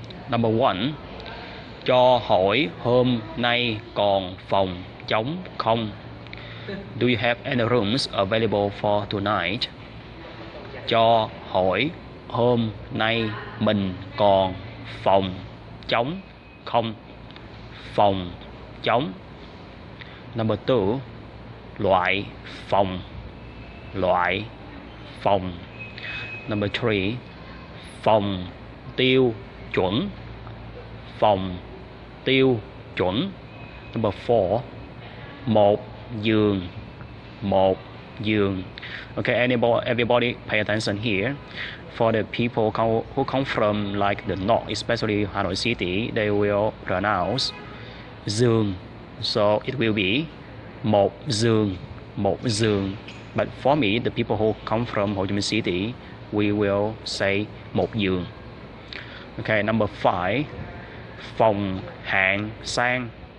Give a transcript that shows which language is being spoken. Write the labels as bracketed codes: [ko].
[vi] Number one, cho hỏi hôm nay còn phòng trống không? [en] Do you have any rooms available for tonight? [vi] Cho hỏi hôm nay mình còn phòng trống không? Phòng trống. [en] Number two, [vi] loại phòng. Loại phòng. [en] Number three, [vi] phòng tiêu chuẩn. Phòng tiêu chuẩn. [en] Number four, [vi] một giường. Một giường. [en] Okay, everybody pay attention here. For the people who come from like the north, especially Hanoi City, they will pronounce [vi] giường. [en] So it will be [vi] một giường, một giường. [en] But for me, the people who come from Ho Chi Minh City, we will say một giường. Okay, number five, [vi] phòng hạng sang.